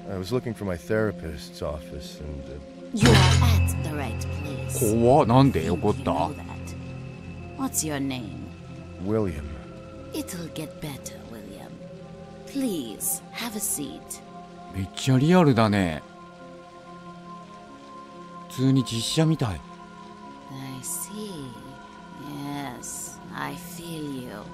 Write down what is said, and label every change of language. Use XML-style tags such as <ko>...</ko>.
<en>I was looking for my therapist's office and You're at the right place.</en> <ja>怖っ、なんで怒った</ja> <en>What's your name? William. It'll get better, William. Please, have a seat.</en> <ja>めっちゃリアルだね。普通に実写みたい。</ja> <en>I see. Yes, I feel you.</en>